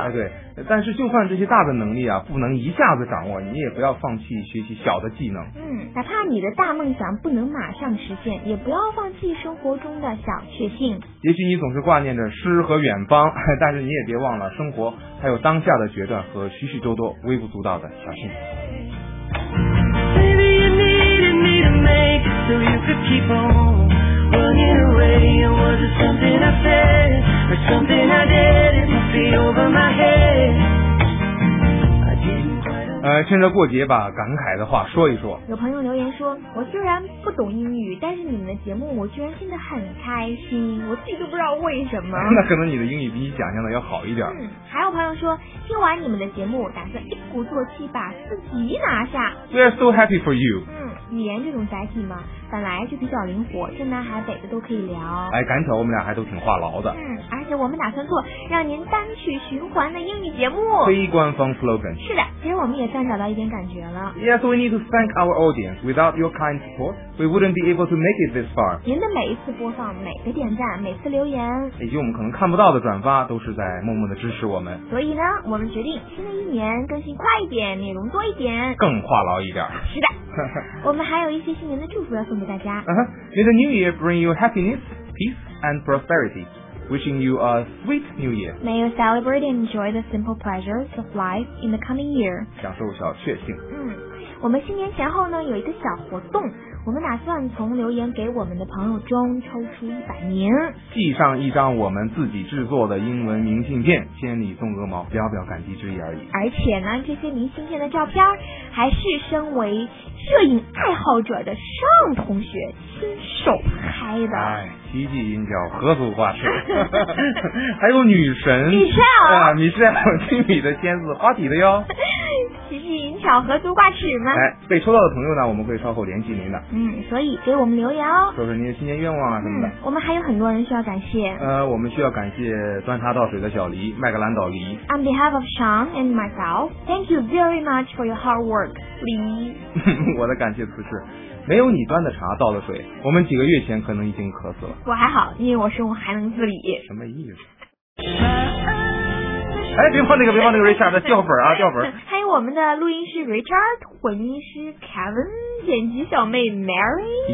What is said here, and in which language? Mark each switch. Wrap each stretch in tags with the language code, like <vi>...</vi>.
<zh>哎，对，但是就算这些大的能力啊不能一下子掌握，你也不要放弃学习小的技能。嗯，哪怕你的大梦想不能马上实现，也不要放弃生活中的小确幸。也许你总是挂念着诗和远方，但是你也别忘了生活还有当下的决断和许许多多微不足道的小幸福。</zh> <en>Baby, you needed me to make it so you could keep on. Running away, or was it something I said, or something I did, it must be over my head. I didn't.</en> <zh>趁着过节把感慨的话说一说。有朋友留言说，我虽然不懂英语，但是你们的节目我居然听得很开心，我自己都不知道为什么。那可能你的英语比你想象的要好一点。嗯，还有朋友说，听完你们的节目打算一鼓作气把四级拿下。</zh> <en>We are so happy for you.</en> <zh>嗯，语言这种载体嘛本来就比较灵活，正南海北的都可以聊。哎，赶巧我们俩还都挺话痨的。嗯，而且我们打算做让您单曲循环的英语节目，非官方 slogan。是的，其实我们也算找到一点感觉了。</zh> <en>Yes, we need to thank our audience. Without your kind support, we wouldn't be able to make it this far.</en> <zh>您的每一次播放、每个点赞、每次留言以及我们可能看不到的转发，都是在默默的支持我们。所以呢，我们决定新的一年更新快一点，内容多一点，更话痨一点。是的。我们还有一些新年的祝福要送给大家。</zh> <en>May the new year bring you happiness, peace and prosperityWishing you a sweet new year. May you celebrate and enjoy the simple pleasures of life in the coming year.</en> <zh>享受小确幸。嗯，我们新年前后呢有一个小活动，我们打算从留言给我们的朋友中抽出100名，寄上一张我们自己制作的英文明信片，千里送鹅毛，表表感激之意而已。而且呢，这些明信片的照片还是身为摄影爱好者的上同学亲手拍的。哎，奇迹银角何足挂齿。还有女神米少啊，米少亲笔的签字，花体的哟。奇迹银巧合足挂齿吗？哎，被抽到的朋友呢，我们会稍后联系您的。嗯，所以给我们留言哦，说说您的新年愿望啊什么的。嗯，我们还有很多人需要感谢。我们需要感谢端茶倒水的小黎、麦格兰岛黎。</zh> <en>On behalf of Sean and myself, thank you very much for your hard work, 黎。</en> <zh>我的感谢词是，没有你端的茶倒的水，我们几个月前可能已经渴死了。我还好，因为我生活还能自理。什么意思？哎，别放那个，别放那个 Richard 的掉粉啊，掉粉。还有我们的录音师 Richard, 混音师 Kevin, 剪辑小妹 Mary,</zh>